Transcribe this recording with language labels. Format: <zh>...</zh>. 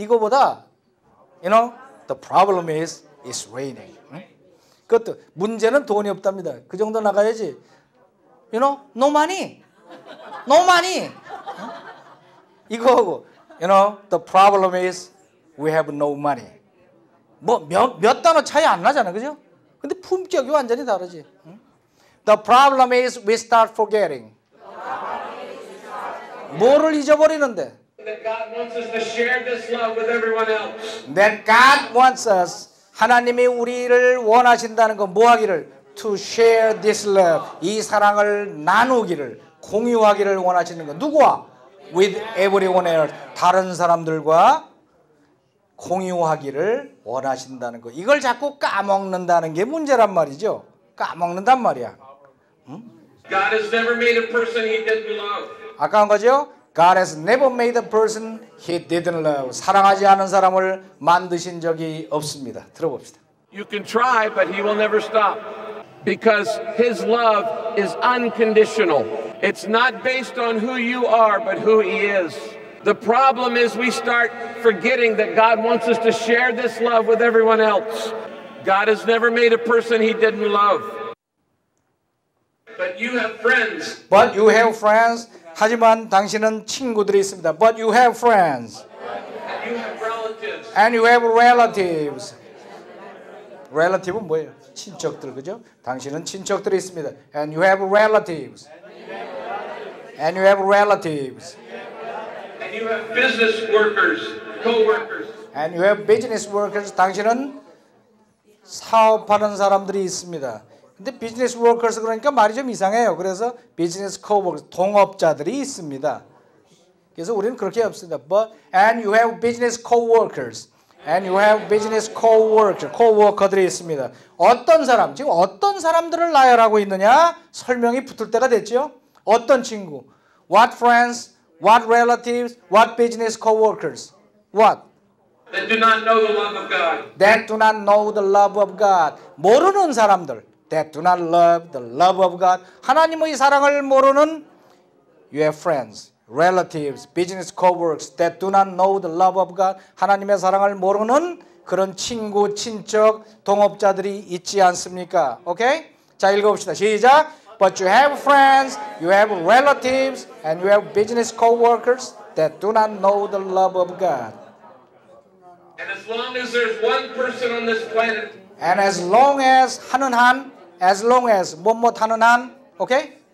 <ko>이거보다</ko> <en>you know the problem is it's raining.</en> <ko>그것도 문제는 돈이 없답니다. 그 정도 나가야지.</ko> <en>You know no money. No money.</en> <ko>이거하고</ko> <en>You know, the problem is we have no money.</en> <ko>뭐 몇 단어 차이 안 나잖아, 그죠? 근데 품격이 완전히 다르지. 응?</ko> <en>The problem is we start forgetting.</en> <ko>뭐를 잊어버리는데?</ko> <en>That God wants us to share this love with everyone else. That God wants us,</en> <ko>하나님이 우리를 원하신다는 건 뭐하기를?</ko> <en>To share this love,</en> <ko>이 사랑을 나누기를, 공유하기를 원하시는 건 누구와?</ko> <en>With everyone else,</en> <ko>다른 사람들과 공유하기를 원하신다는 거. 이걸 자꾸 까먹는다는 게 문제란 말이죠. 까먹는단 말이야. 응?</ko> <en>God has never made a person he didn't love.</en> <ko>아까 한 거죠?</ko> <en>God has never made a person he didn't love.</en> <ko>사랑하지 않은 사람을 만드신 적이 없습니다. 들어봅시다.</ko> <en>You can try, but he will never stop. Because his love is unconditional. It's not based on who you are, but who he is. The problem is we start forgetting that God wants us to share this love with everyone else. God has never made a person he didn't love. But you have friends. But you have friends.</en> <ko>하지만 당신은 친구들이 있습니다.</ko> <en>But you have friends. And you have relatives. And you have relatives. Relative은</en> <ko>뭐예요? 친척들, 그죠? 당신은 친척들이 있습니다.</ko> <en>And you have relatives. And you have relatives. And you have business workers, co-workers. And you have business workers.</en> <ko>당신은 사업하는 사람들이 있습니다. 근데 business workers 그러니까 말이 좀 이상해요. 그래서 business co-workers, 동업자들이 있습니다. 그래서 우리는 그렇게 없습니다.</ko> <en>But and you have business co-workers. And you have business co-workers, co-worker들이</en> <ko>있습니다. 어떤 사람, 지금 어떤 사람들을 나열하고 있느냐? 설명이 붙을 때가 됐죠? 어떤 친구?</ko> <en>What friends? What relatives? What business co-workers? What? That do not know the love of God. That do not know the love of God.</en> <ko>모르는 사람들.</ko> <en>That do not love the love of God.</en> <ko>하나님의 사랑을 모르는</ko> <en>your friends, relatives, business co-workers that do not know the love of God.</en> <ko>하나님의 사랑을 모르는 그런 친구, 친척, 동업자들이 있지 않습니까? 오케이? 자, 읽어봅시다. 시작!</ko> <en>But you have friends, you have relatives, and you have business co-workers that do not know the love of God. And as long as there's one person on this planet, and as long as</en> <ko>하는 한,</ko> <en>as long as</en> <ko>뭐뭐 하는 한,</ko> <en>okay?</en>